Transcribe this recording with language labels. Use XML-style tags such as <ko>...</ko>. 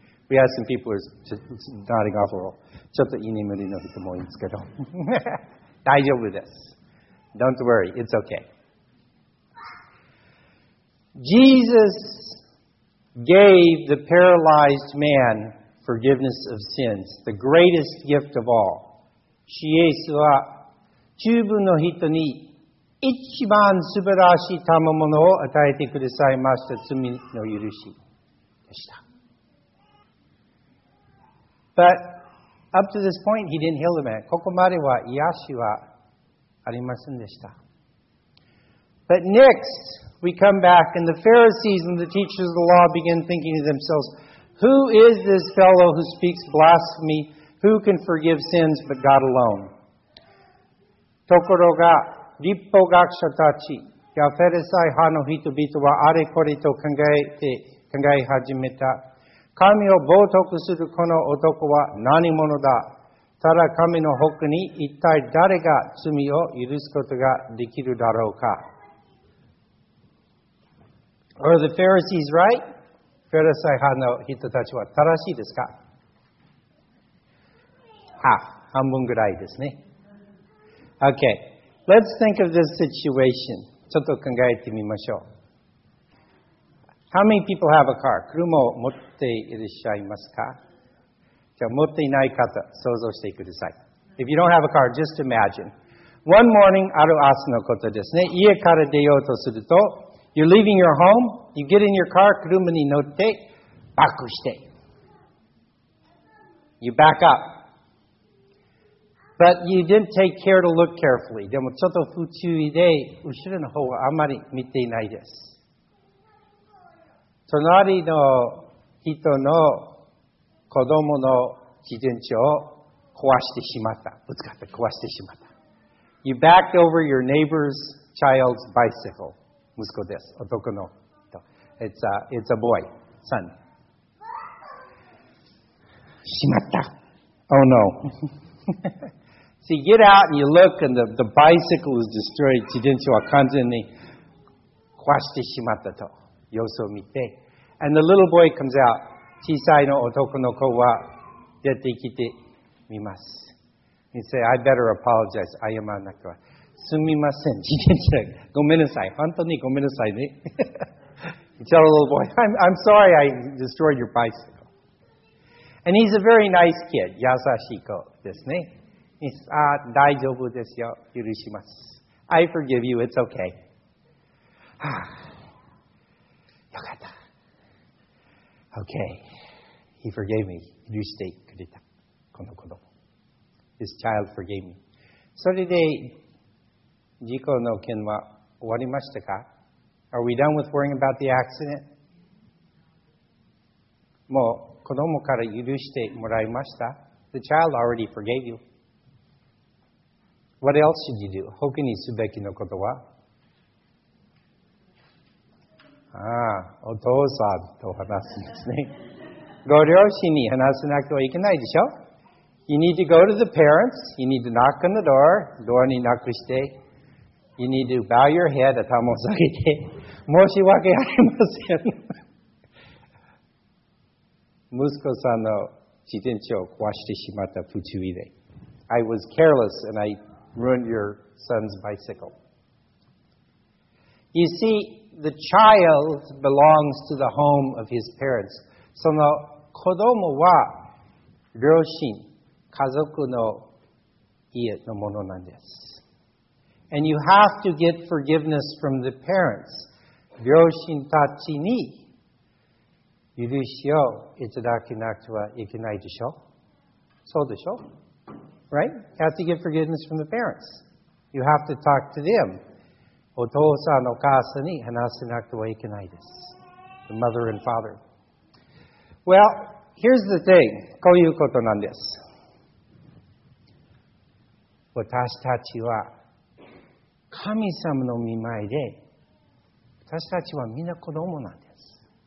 <en>We have some people who are nodding off a little.</en> <ja>ちょっと居眠りの人もいますけど。大丈夫です。</ja> <en>Don't worry, it's okay. Jesus gave the paralyzed man forgiveness of sins, the greatest gift of all.</en> <ja>イエスは十分の人に一番素晴らしい賜物を与えてくださいました罪の許しでした。</ja> <en>But up to this point, he didn't heal the man.</en> <ja>ここまでは癒しはありませんでした。</ja> <en>But next, we come back and the Pharisees and the teachers of the law begin thinking to themselves, who is this fellow who speaks blasphemy? Who can forgive sins but God alone?</en> <ja>ところが、立法学者たちやフェルサイ派の人々はあれこれと考え始めた。神を冒涜するこの男は何者だ？ただ神の僕に一体誰が罪を許すことができるだろうか？</ja> <en>Are the Pharisees right?</en> <ja>フェルサイ派の人たちは正しいですか？半分ぐらいですね。</ja> <en>Okay. Let's think of this situation.</en> <ja>ちょっと考えてみましょう。</ja> <en>How many people have a car?</en> <ja>車を持っていらっしゃいますか？じゃあ持っていない方、想像してください。</ja> <en>If you don't have a car, just imagine. One morning,</en> <ja>ある朝のことですね。家から出ようとすると、</ja> <en>You're leaving your home, you get in your car,</en> <ja>車に乗って、バックして。</ja> <en>You back up. But you didn't take care to look carefully.</en> <ja>でもちょっと不注意で後ろの方はあまり見ていないです。隣の人の子供の自転車を壊してしまった。ぶつかって壊してしまった。</ja> <en>You backed over your neighbor's child's bicycle.</en> <ja>息子です。男の人。</ja> <en>It's a boy. Son.</en> <ja>しまった。</ja> <en>Oh no. So you get out and you look and the bicycle is destroyed.</en> <ja>自転車は完全に壊してしまったと。様子を見て。</ja> <en>And the little boy comes out.</en> <ja>小さいの男の子は出てきてみます。 He says, I better apologize. 謝らなくては。すみません。自転車。ごめんなさい。本当にごめんなさいね。</ja> <en>He tells the little boy, I'm sorry I destroyed your bicycle. And he's a very nice kid.</en> <ja>優しい子ですね。大丈夫ですよ。許します。</ja> <en>I forgive you. It's okay.</en> <ja>よかった。</ja> <en>Okay. He forgave me.</en> <ja>許してくれた。この子供。</ja> <en>This child forgave me.</en> <ja>それで、事故の件は終わりましたか？</ja> <en>Are we done with worrying about the accident?</en> <ja>もう子供から許してもらいました。</ja> <en>The child already forgave you. What else should you do?</en> <ja>他にすべきのことは？お父さんと話すんですね。ご両親に話さなくてはいけないでしょ？</ja> <en>You need to go to the parents. You need to knock on the door.</en> <ja>ドアにノックして。</ja> <en>You need to bow your head.</en> <ja>頭を下げて。申し訳ありません。息子さんの自転車を壊してしまった不注意で。</ja> <en>I was careless and I... Ruined your son's bicycle. You see, the child belongs to the home of his parents.</en> <ja>その子供は両親、家族の家のものなんです。</ja> <en>And you have to get forgiveness from the parents.</en> <ja>両親たちに許しをいただけなくてはいけないでしょ？そうでしょ？</ja> <en>Right? You have to get forgiveness from the parents. You have to talk to them.</en> <ja>お父さん、お母さんに話せなくてはいけないです。</ja> <en>The mother and father. Well, here's the thing.</en> <ja>こういうことなんです。私たちは神様の御前で、私たちは皆子供なんです。</ja>